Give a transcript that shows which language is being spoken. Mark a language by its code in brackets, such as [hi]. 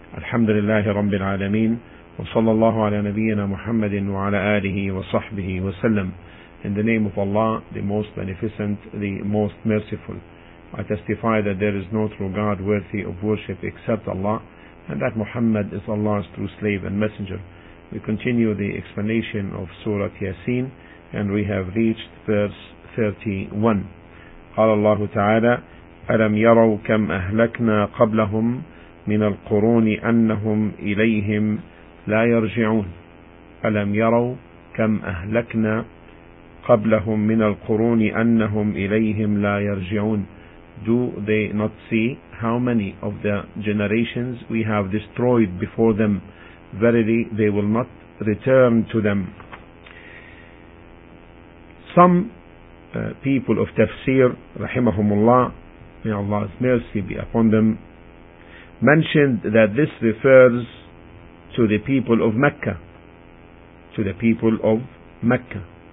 [ar] الحمد لله رب العالمين، وصلى الله على نبينا محمد وعلى آله وصحبه وسلم. [en] In the name of Allah, the most beneficent, the most merciful, I testify that there is no true God worthy of worship except Allah, and that Muhammad is Allah's true slave and messenger. We continue the explanation of Surah Yasin, and we have reached verse 31. [ar] قال الله تعالى ألم يروا كم أهلكنا قبلهم من القرون أنهم إليهم لا يرجعون. ألم يروا كم أهلكنا قبلهم من القرون أنهم إليهم لا يرجعون. [en] Do they not see how many of the generations we have destroyed before them? Verily, they will not return to them. Some people of tafsir, rahimahumullah, may Allah's mercy be upon them, mentioned that this refers to the people of Mecca, to the people of Mecca.